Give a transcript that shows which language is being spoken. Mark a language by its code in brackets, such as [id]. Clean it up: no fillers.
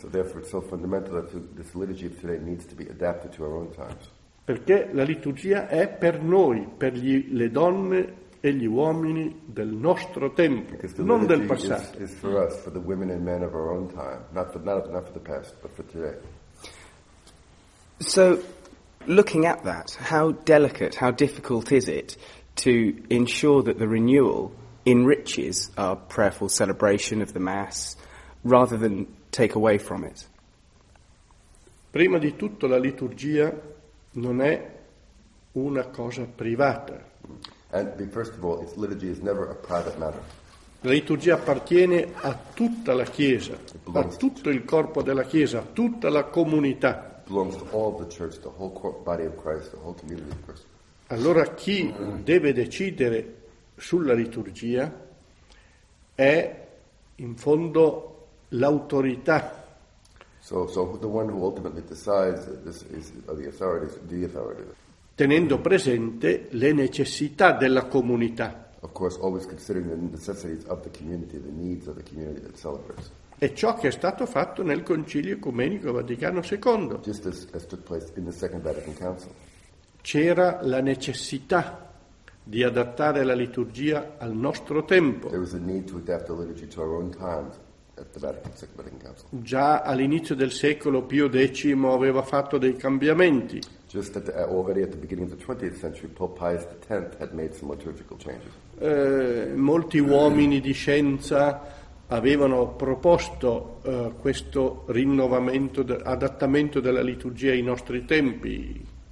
[en] So therefore it's so fundamental that this liturgy of today needs to be adapted to our own times. [it] Perché la liturgia è per noi, per le donne e gli uomini del nostro tempo, non del passato. [en] Is for us, for the women and men of our own time, not for the past, but for today. So, looking at that, how delicate, how difficult is it to ensure that the renewal enriches our prayerful celebration of the Mass rather than take away from it. [it] Prima di tutto la liturgia non è una cosa privata. [en] And first of all, its liturgy is never a private matter. [it] La liturgia appartiene a tutta la Chiesa, a tutto il corpo della Chiesa, a tutta la comunità. [en] Belongs to all the church, the whole body of Christ, the whole community of Christ. [it] Allora chi deve decidere sulla liturgia è in fondo l'autorità. [en] So the one who ultimately decides this is the authorities, the authorities. [it] Tenendo presente le necessità della comunità. [en] Of course, always considering the necessities of the community, the needs of the community that celebrates. [it] È ciò che è stato fatto nel Concilio Ecumenico Vaticano II. [en] Just as took place in the Second Vatican Council. [it] C'era la necessità di adattare la liturgia al nostro tempo. [en] There was a need to adapt the liturgy to our own times at the Vatican, Second Vatican Council. [it] Già all'inizio del secolo Pio X aveva fatto dei cambiamenti. [en] Just at the, already at the beginning of the 20th century, Pope Pius X had made some liturgical changes. [it] Molti uomini di scienza avevano proposto questo rinnovamento, adattamento della liturgia ai nostri tempi.